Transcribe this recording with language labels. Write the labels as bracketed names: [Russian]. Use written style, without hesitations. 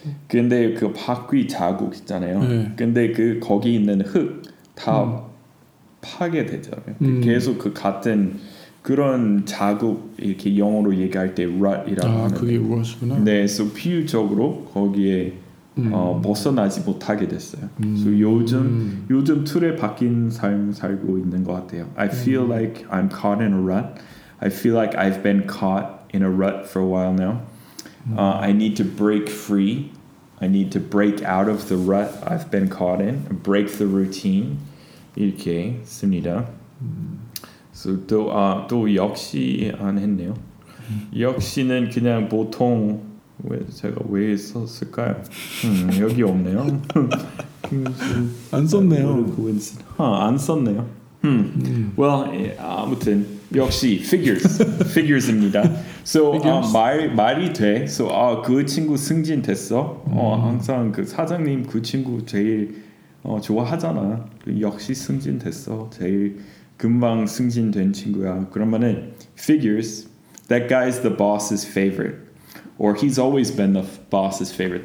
[Korean] 근데 그 바퀴 자국 있잖아요. 네. 근데 그 거기 있는 흙 다 파괴되잖아요. 계속 그 같은 그런 자국 이렇게 영어로 얘기할 때 rut이라고 하는데 그게 rut구나. 네, 그래서 비유적으로 거기에 벗어나지 못하게 됐어요. 그래서 요즘 요즘 틀에 박힌 삶 살고 있는 것 같아요. [English] I feel like I'm caught in a rut. I feel like I've been caught in a rut for a while now. I need to break free. I need to break out of the rut I've been caught in. Break the routine. [Korean] 이렇게 씁니다. So 또, 아, 또 역시 안 했네요. 역시는 그냥 보통 왜 제가 왜 썼을까요? 여기 없네요. 안 썼네요. 안 썼네요. [English] Well, [Korean] 아무튼 역시 figures, figures입니다. So figures? 말이 돼. So 아, 그 친구 승진됐어. 항상 그 사장님 그 친구 제일 좋아하잖아. 역시 승진됐어. 제일 금방 승진된 친구야. 그러면은 figures. [English] That guy's the boss's favorite, or he's always been the boss's favorite.